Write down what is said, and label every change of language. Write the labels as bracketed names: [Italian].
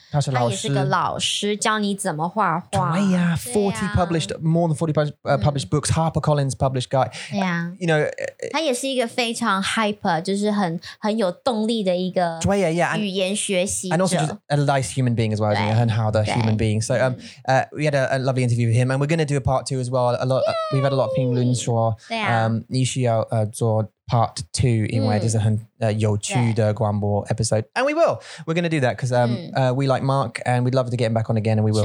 [Chinese] 他是老师, 教你怎么画画, 对啊, 40 对啊, [English] published, more than 40 published books, HarperCollins published guy. Yeah. You know, [Chinese] 他也是一个非常 hyper, 就是很有动力的一个 语言学习者, [English] and also just a nice human being as well, isn't he? And how the human being. So we had a lovely interview with him, and we're going to do a part two as well. We've had a lot of [Chinese] 评论说, 你需要 做 [English] part two, [Chinese] 因为这是很有趣的广播 [English] episode, and we will. We're going to do that because we like Mark, and we'd love to get him back on again, and we will.